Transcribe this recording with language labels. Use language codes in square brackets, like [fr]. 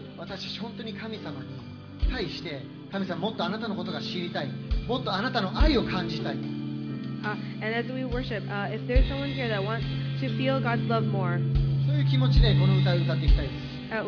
[ja] 私本当に神様に対して、神様もっとあなたのことが知りたい、もっとあなたの愛を感じたい。 [en] And as we worship, if there's someone here that wants to feel God's love more, [ja] そういう気持ちでこの歌を歌っていきたいです。